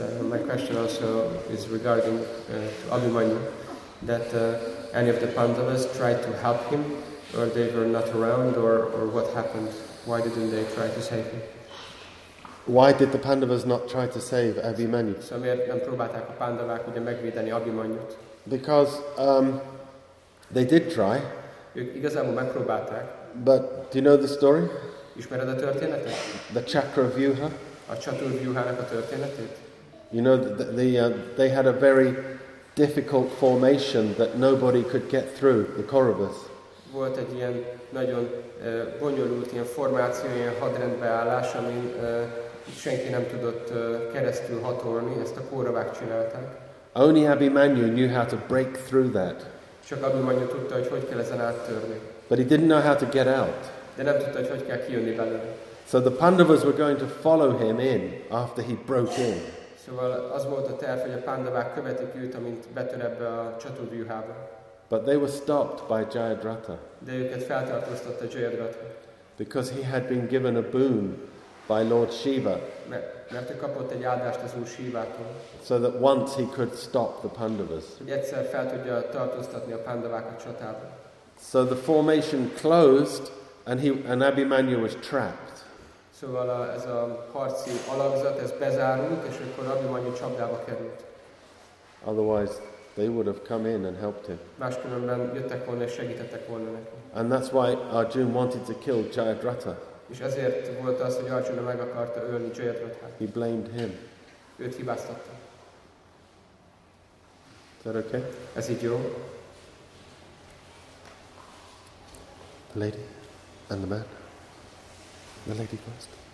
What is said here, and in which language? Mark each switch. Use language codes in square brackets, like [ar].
[en] My question also is regarding to Abhimanyu, that any of the Pandavas tried to help him, or they were not around, or what happened? Why didn't they try to save him? Why did the Pandavas not try to save Abhimanyu? [hu] So miért nem próbálták a Pandavák ugye megvédeni Abhimanyut? [en] Because they did try. [hu] Ők igazából megpróbálták. [en] But do you know the story? [hu] Ismered a történetet? [en] The Chakravyuha. [hu] A Chaturvyuhának a történetét. [en] You know, they had a very difficult formation that nobody could get through, the Kauravas. [hu] Volt egy ilyen nagyon bonyolult ilyen formáció, ilyen hadrendbeállás, amin senki nem tudott keresztül hatolni, ezt a Kauravák csinálták. [en] Only Abhimanyu knew how to break through that. [hu] Csak Abhimanyu tudta, hogy hogy kell ezen áttörni. [en] But he didn't know how to get out. [hu] De nem tudta, hogy hogy kell kijönni belőle. [en] So the Pandavas were going to follow him in after he broke in. [hu] Szóval az volt a terv, hogy a Pandavák követik őt, amint betör ebbe a Chaturvyuhába. [en] But they were stopped by Jayadratha. [hu] De őket feltartóztatta Jayadratha. [en] Because he had been given a boon by Lord Shiva. [hu] Mert ő kapott egy áldást az Úr Shivától. [en] So that once he could stop the Pandavas. [hu] Hogy egyszer fel tudja tartóztatni a Pandavák a csatába. [en] So the formation closed, and Abhimanyu was trapped. [hu] Szóval ez a harci alakzat, ez bezárult, és akkor Abhimanyu csapdába került. [en] Otherwise, they would have come in and helped him. [hu] Máskülönben jöttek volna és segítettek volna neki. [en] And that's why Arjuna wanted to kill Jayadratha. [hu] És ezért volt az, hogy Arjuna meg akarta ölni Jayadrathát. [en] He blamed him. [hu] Őt hibáztatta. [en] Is that okay? [hu] Ez így jó. [en] The lady and the man. The lady first.